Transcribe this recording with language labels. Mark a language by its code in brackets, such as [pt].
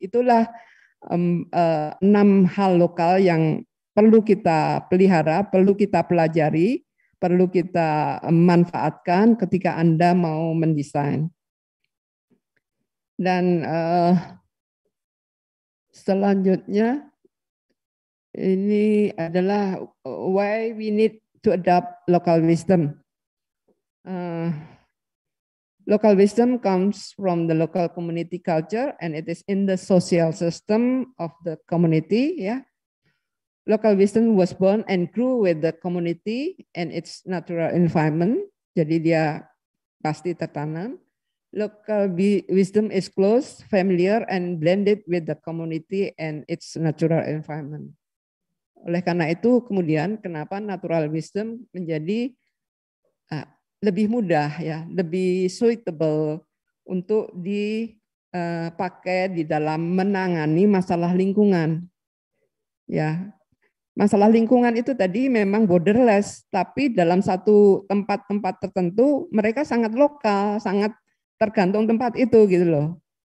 [id] Itulah 6 hal lokal yang perlu kita pelihara, perlu kita pelajari, perlu kita manfaatkan ketika Anda mau mendesain. Dan selanjutnya ini adalah [en] why we need to adopt local wisdom. Local wisdom comes from the local community culture and it is in the social system of the community. Yeah. Local wisdom was born and grew with the community and its natural environment. [id] Jadi dia pasti tertanam. [en] Local wisdom is close, familiar, and blended with the community and its natural environment. [id] Oleh karena itu, kemudian kenapa natural wisdom menjadi lebih mudah, ya, lebih suitable untuk dipakai di dalam menangani masalah lingkungan. Ya, masalah lingkungan itu tadi memang borderless, tapi dalam satu tempat-tempat tertentu, mereka sangat lokal, sangat tergantung tempat itu gitu loh.